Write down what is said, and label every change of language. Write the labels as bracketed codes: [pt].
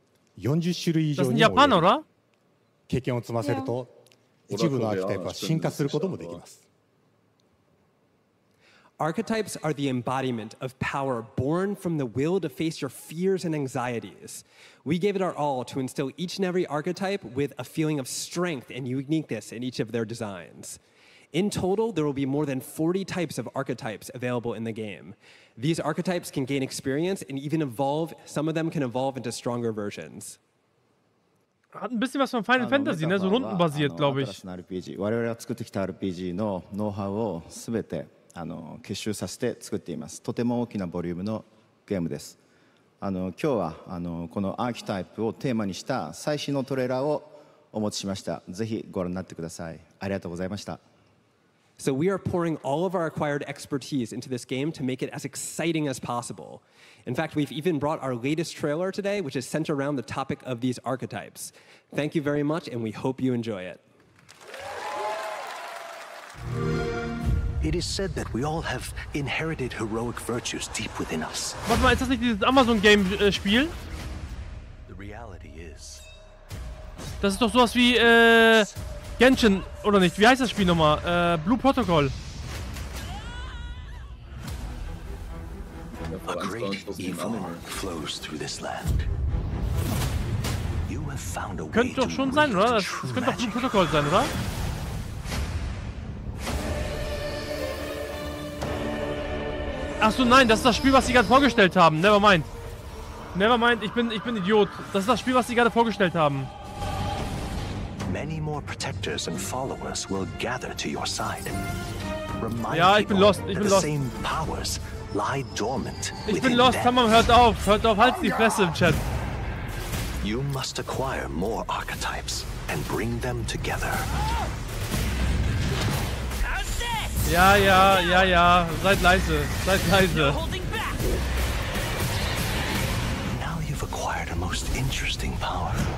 [ja] アーキタイプは誰もが持つ不安、不安と向き合うことによって覚醒する力です。すべてのアートワークは力強さとオリジナリティを意識して描いています。その総数は40種類以上にも及びます。 [en] Archetypes are the embodiment of power born from the will to face your fears and anxieties. We gave it our all to instill each and every archetype with a feeling of strength and uniqueness in each of their designs. In total, there will be more than 40 types of archetypes available in the game. These archetypes can gain experience and even evolve. Some of them can evolve into stronger versions. [de] Hat ein bisschen was von Final Fantasy, ne? So rundenbasiert, glaube ich. [ja] あの、我々が作ってきたRPGのノウハウをすべて、あの、結集させて作っています。とても大きなボリュームのゲームです。あの、今日はあの、このアーキタイプをテーマにした最新のトレーラーをお持ちしました。ぜひご覧になってください。ありがとうございました。 [en] So we are pouring all of our acquired expertise into this game to make it as exciting as possible. In fact, we've even brought our latest trailer today, which is centered around the topic of these archetypes. Thank you very much, and we hope you enjoy it. It is said that we all have inherited heroic virtues deep within us. [de] Warte mal, ist das nicht dieses Amazon-Game-Spiel? [en] The reality is... [de] Das ist doch sowas wie, Genshin, oder nicht? Wie heißt das Spiel nochmal? Blue Protocol. [en] A great evil flows through this land. You have found a way. [de] Könnte doch schon sein, oder? Das könnte doch Blue Protocol sein, oder? Achso, nein, das ist das Spiel, was sie gerade vorgestellt haben. [en] Nevermind. Nevermind, [de] ich bin Idiot. Das ist das Spiel, was sie gerade vorgestellt haben. [en] Many more protectors and followers will gather to your side. [de] Remind ja, ich bin lost. Ich bin lost. [en] The same powers lie dormant. Ich bin lost. Come on, [de] hört auf, halt die Fresse im Chat. [en] You must acquire more archetypes and bring them together. [de] Ja. Seid leise. [en] Now you've acquired a most interesting power.